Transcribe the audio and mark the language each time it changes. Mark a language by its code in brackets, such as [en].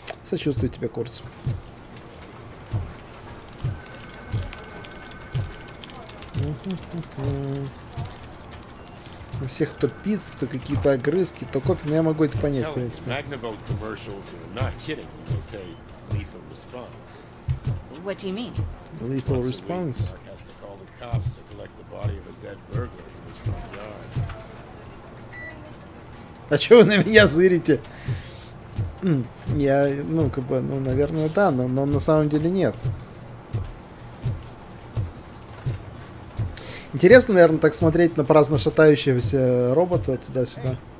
[ru] Сочувствую тебе, Курц. У всех то пицца, то какие-то огрызки, то кофе, но я могу это понять, в принципе. [en] Magnavolt commercials are not kidding when they say lethal response. What do you mean? Lethal response. Mark has to call the cops to collect the body of a dead burglar from his front yard. [ru] А чё вы на меня зырите? Я, ну, как бы, ну, наверное, да, но на самом деле нет. Интересно, наверное, так смотреть на праздно шатающегося робота туда-сюда.